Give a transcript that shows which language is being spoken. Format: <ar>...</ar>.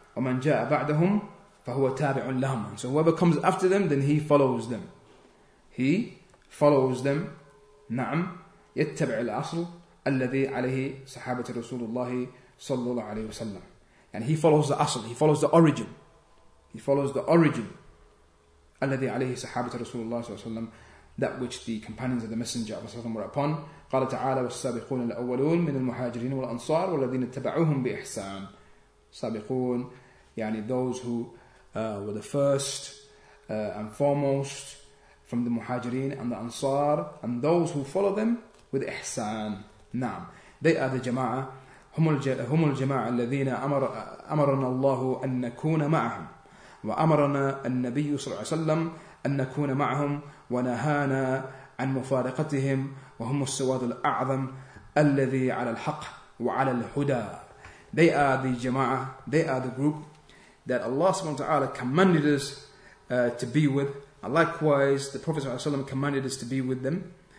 <ar>ومن جاء بعدهم فهو تابع لهم.</ar> <en>So whoever comes after them, then he follows them. He follows them.</en> <ar>نعم. يتبع الأصل الذي عليه صحابة رسول الله صلى الله عليه وسلم.</ar> <en>And he follows the</en> <ar>أصل.</ar> <en>He follows the origin. He follows the origin.</en> <ar>الذي عليه صحابة رسول الله صلى الله عليه وسلم.</ar> <en>That which the companions of the Messenger of Allah were upon.</en> <ar>قال تعالى والسابقون الأولون من المهاجرين والأنصار والذين اتبعوهم بإحسان. سابقون يعني</ar> <en>those who were the first and foremost from the مهاجرين and the أنصار and those who follow them with إحسان.</en> <ar>نعم.</ar> <en>They are the جماعة.</en> <ar>هم الجماعة الذين أمرنا الله أن نكون معهم وأمرنا النبي صلى الله عليه وسلم أن نكون معهم ونهانا عن مفارقتهم وهم السواد الأعظم الذي على الحق وعلى الهدى.</ar> <en>They are the jama'a, they are the group that Allah subhanahu wa ta'ala commanded us to be with. And likewise, the Prophet sallallahu alaihi wasallam commanded us to be with them.</en>